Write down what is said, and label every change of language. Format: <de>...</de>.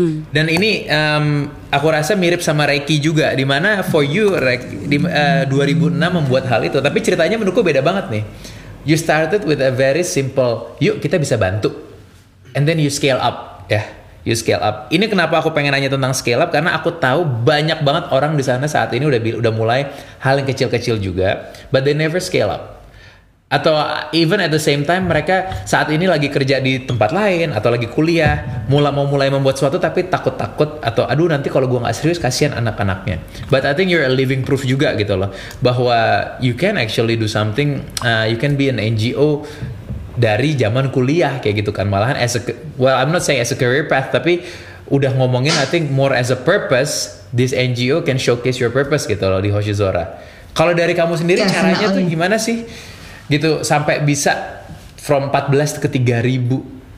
<id>Dan ini aku rasa mirip sama Reiki juga, di mana</id> <en>for you</en> <id>Reiki, 2006 membuat hal itu, tapi ceritanya menurutku beda banget nih.</id> <en>You started with a very simple,</en> <id>yuk kita bisa bantu,</id> <en>and then you scale up, ya. Yeah. You scale up.</en> <id>Ini kenapa aku pengen nanya tentang scale up, karena aku tahu banyak banget orang di sana saat ini udah mulai hal yang kecil-kecil juga,</id> <en>but they never scale up.</en> <id>Atau</id> <en>even at the same time</en> <id>mereka saat ini lagi kerja di tempat lain atau lagi kuliah, mau mulai membuat sesuatu tapi takut-takut atau aduh nanti kalau gua enggak serius kasihan anak-anaknya.</id> <en>But I think you're a living proof</en> <id>juga gitu loh bahwa</id> <en>you can actually do something, you can be an NGO</en> <id>dari zaman kuliah kayak gitu kan, malahan</id> <en>as a, well I'm not saying as a career path,</en> <id>tapi udah ngomongin</id> <en>I think more as a purpose, this NGO can showcase your purpose</en> <id>gitu loh di Hoshizora. Kalau dari kamu sendiri caranya tuh gimana sih gitu sampai bisa from 14 ke 3000?</id>